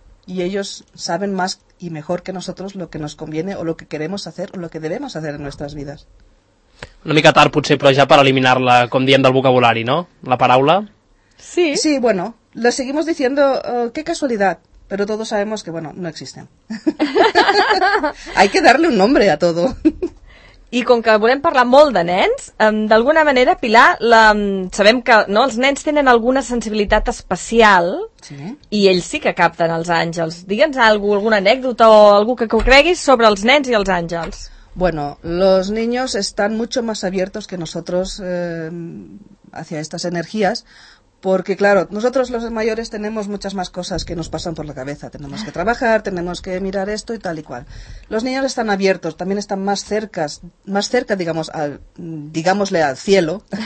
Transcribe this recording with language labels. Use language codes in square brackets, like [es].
[es] Y ellos saben más y mejor que nosotros lo que nos conviene o lo que queremos hacer o lo que debemos hacer en nuestras vidas. [ca] Una mica tard, potser, però ja per eliminar-la, com diem, del vocabulari, no? La paraula? Sí. [es] Sí, bueno... Lo seguimos diciendo, qué casualidad, pero todos sabemos que, bueno, no existen. Hay que darle un nombre a todo. [ca] I com que volem parlar molt de nens, d'alguna manera, Pilar, sabem que no, els nens tenen alguna sensibilitat especial, sí. I ells sí que capten els àngels. Digue'ns alguna anècdota o algú que cregui sobre els nens i els àngels. [es] Bueno, los niños están mucho más abiertos que nosotros hacia estas energías, porque claro, nosotros los mayores tenemos muchas más cosas que nos pasan por la cabeza. Tenemos que trabajar, tenemos que mirar esto y tal y cual. Los niños están abiertos, también están más cerca, digamos, digámosle al cielo.